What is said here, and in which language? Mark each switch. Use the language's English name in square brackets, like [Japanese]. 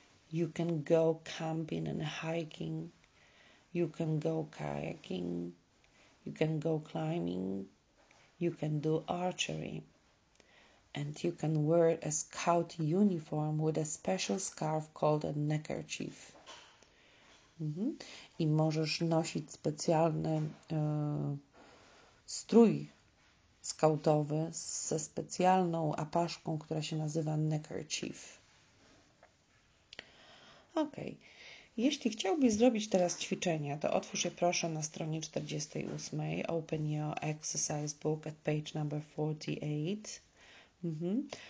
[English] You can go camping and hiking. You can go kayaking. You can go climbing, you can do archery, and you can wear a scout uniform with a special scarf called a neckerchief. [Polish] I możesz nosić specjalny strój skautowy ze specjalną apaszką, która się nazywa neckerchief. Okej. Jeśli chciałbyś zrobić teraz ćwiczenia, to otwórz je proszę na stronie 48. [English] Open your exercise book at page number 48.